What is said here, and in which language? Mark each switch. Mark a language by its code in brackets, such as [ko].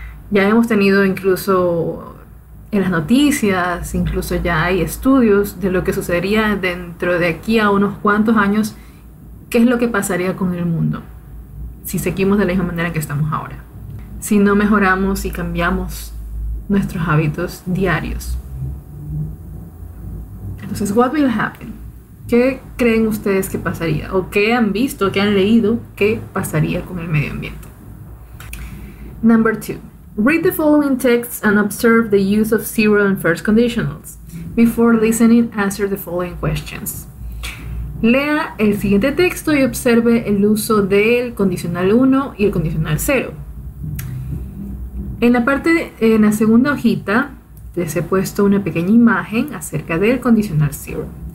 [es] Ya hemos tenido incluso en las noticias, incluso ya hay estudios de lo que sucedería dentro de aquí a unos cuantos años, qué es lo que pasaría con el mundo si seguimos de la misma manera que estamos ahora, si no mejoramos y cambiamos nuestros hábitos diarios. Entonces, [en] what will happen? [es] ¿Qué creen ustedes que pasaría? ¿O qué han visto, qué han leído, qué pasaría con el medio ambiente? [en] Number two. Read the following texts and observe the use of zero and first conditionals. Before listening, answer the following questions. [es] Lea el siguiente texto y observe el uso del condicional 1 y el condicional 0. En la parte, en la segunda hojita, les he puesto una pequeña imagen acerca del condicional 0.